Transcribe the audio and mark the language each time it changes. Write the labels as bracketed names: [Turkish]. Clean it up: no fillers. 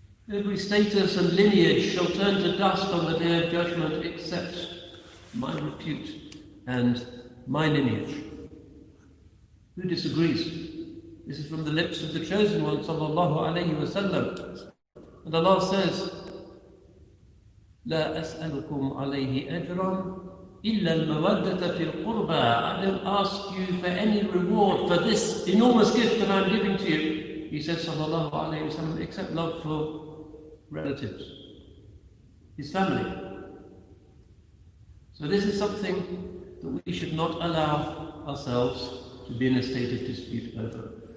[English] Every status and lineage shall turn to dust on the day of judgment except my repute and my lineage. Who disagrees? This is from the lips of the chosen one, sallallahu alayhi wa sallam. [Arabic] And Allah says, لا أسألكم عليه أجرا إلا المودة في القربى. [English] I don't ask you for any reward for this enormous gift that I'm giving to you, he says, sallallahu alayhi wa sallam, except love for relatives, his family. So this is something that we should not allow ourselves to be in a state of dispute over.